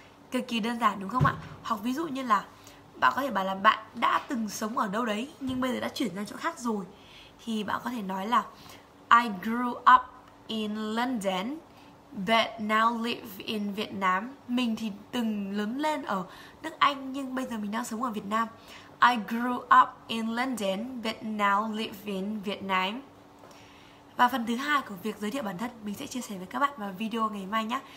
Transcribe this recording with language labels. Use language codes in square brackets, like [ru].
[vi] Cực kỳ đơn giản đúng không ạ? Hoặc ví dụ như là bạn có thể bảo là bạn đã từng sống ở đâu đấy nhưng bây giờ đã chuyển sang chỗ khác rồi, thì bạn có thể nói là I grew up in London but now live in Vietnam. Mình thì từng lớn lên ở nước Anh nhưng bây giờ mình đang sống ở Việt Nam. [en] I grew up in London but now live in Vietnam. [vi] Và phần thứ hai của việc giới thiệu bản thân, mình sẽ chia sẻ với các bạn vào video ngày mai nhé.